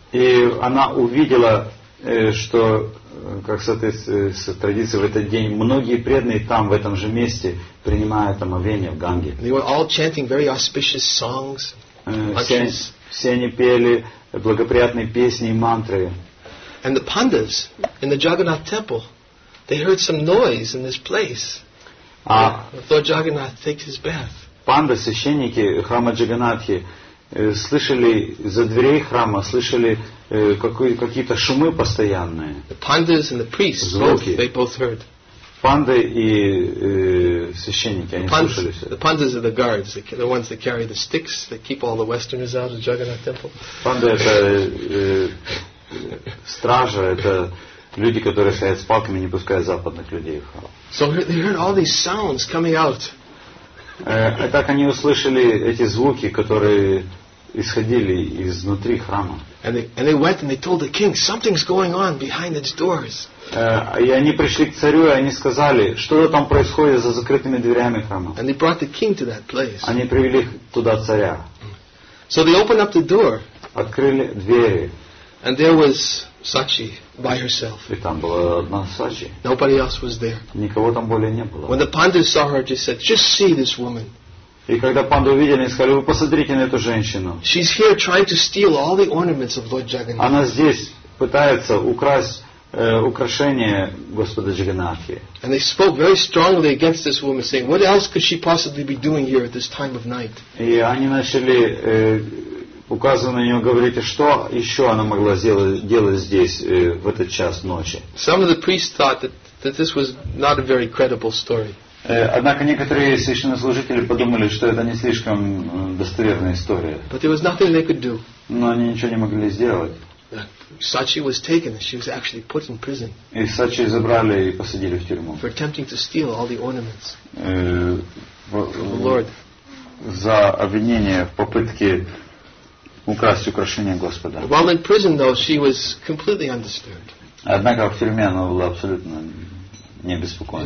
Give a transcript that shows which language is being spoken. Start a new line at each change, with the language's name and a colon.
Russian: И она увидела, что, как соответствует традиции, в этот день многие преданные там, в этом же месте, принимают омовение в Ганге.
English: They were all chanting very auspicious songs.
Russian: Все они пели благоприятные песни и мантры.
English: And the pandas in the Jagannath temple, they heard some noise in this place. Lord Jagannath takes his bath.
Russian: Панды, священники храма Джаганнатхи, слышали за дверей храма, слышали какие-то шумы постоянные.
English: The pandas and the priests,
Russian: звуки.
English: They both heard.
Russian: Панды и священники, они слышали.
English: The pandas are the guards, the ones that carry the sticks that keep all the westerners out of Jagannath temple.
Russian: Панды это стража, это люди, которые стоят с палками, не пускают западных людей в храм.
English: So they heard all these sounds coming out.
Russian: И так они услышали эти звуки, которые исходили изнутри храма.
English: And they went and they told the king, something's going on behind its doors.
Russian: И они пришли к царю, и они сказали, что-то там происходит за закрытыми дверями храма.
English: And they brought the king to that place.
Russian: Они привели туда царя.
English: So they opened up the door.
Russian: Открыли двери.
English: And there was Sachi by herself.
Russian: И там была одна Сачи.
English: Nobody else was there.
Russian: Никого там более не было.
English: When the pandas saw her, they said, just see this woman.
Russian: И когда панды увидели, они сказали, вы посмотрите на эту женщину.
English: She's here trying to steal all the ornaments of Lord Jagannath.
Russian: Она здесь пытается украсть украшения Господа Джаганатхи.
English: And they spoke very strongly against this woman, saying, what else could she possibly be doing here at this time of night?
Russian: И они начали указывая на нее, говорите, что еще она могла делать здесь в этот час ночи.
English: Some of the priests thought that this was not a very credible story.
Russian: Однако некоторые священнослужители подумали, что это не слишком достоверная история.
English: But there was nothing they could do.
Russian: Но они ничего не могли сделать.
English: Сачи was taken, she was actually put in prison.
Russian: И Сачи забрали и посадили в тюрьму.
English: For attempting to steal all the ornaments from the Lord.
Russian: За обвинение в попытке украсть украшения Господа.
English: While in prison, though, she was completely undisturbed.
Russian: Однако в тюрьме она была абсолютно не беспокойна.